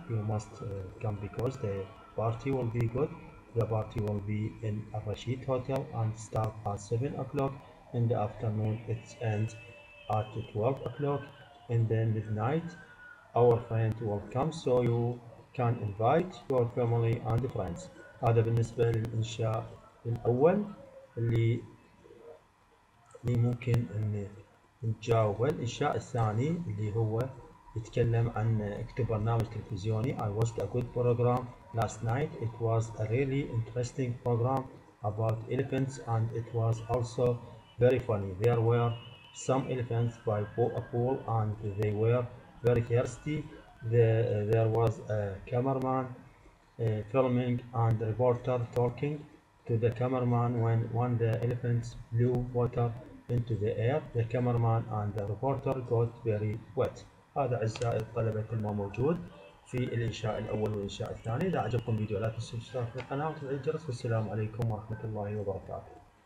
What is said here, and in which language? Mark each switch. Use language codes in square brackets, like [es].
[en] You must come because the party will be good. The party will be in a Rashid Hotel and start at 7 o'clock in the afternoon. It ends at 12 o'clock in the midnight. Our friend will come so you can invite your family and friends. [ar] هذا بالنسبة للإنشاء الأول اللي ممكن أن نجاوبه. الإنشاء الثاني اللي هو يتكلم عن اكتب برنامج تلفزيوني. [en] I watched a good program last night. It was a really interesting program about elephants and it was also very funny. There were some elephants by a pool and they were very thirsty. There was a cameraman filming and the reporter talking to the cameraman when the elephants blew water into the air. The cameraman and the reporter got very wet. [ar] هذا أعزائي الطلبة كل ما موجود في الإنشاء الأول والإنشاء الثاني. إذا عجبكم الفيديو لا تنسوا الاشتراك في القناة وتفعيل الجرس. والسلام عليكم ورحمة الله وبركاته.